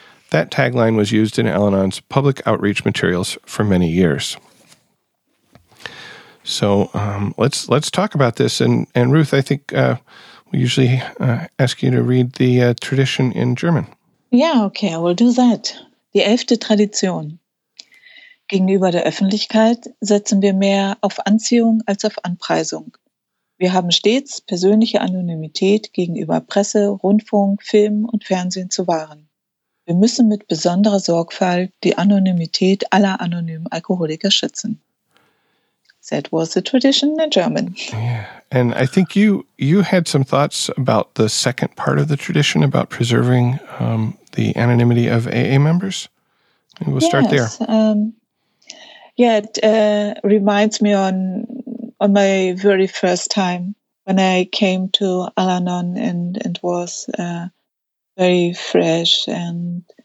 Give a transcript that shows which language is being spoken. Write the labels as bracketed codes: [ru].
[en] That tagline was used in Al-Anon's public outreach materials for many years. So let's talk about this. And Ruth, I think we usually ask you to read the tradition in German. Yeah, okay, I will do that. [de] Die 11. Tradition. Gegenüber der Öffentlichkeit setzen wir mehr auf Anziehung als auf Anpreisung. Wir haben stets persönliche Anonymität gegenüber Presse, Rundfunk, Film und Fernsehen zu wahren. Wir müssen mit besonderer Sorgfalt die Anonymität aller anonymen Alkoholiker schützen. [en] That was the tradition in German. Yeah, and I think you had some thoughts about the second part of the tradition, about preserving the anonymity of AA members. Maybe we'll start there. Yeah, it reminds me on my very first time when I came to Al-Anon and was very fresh and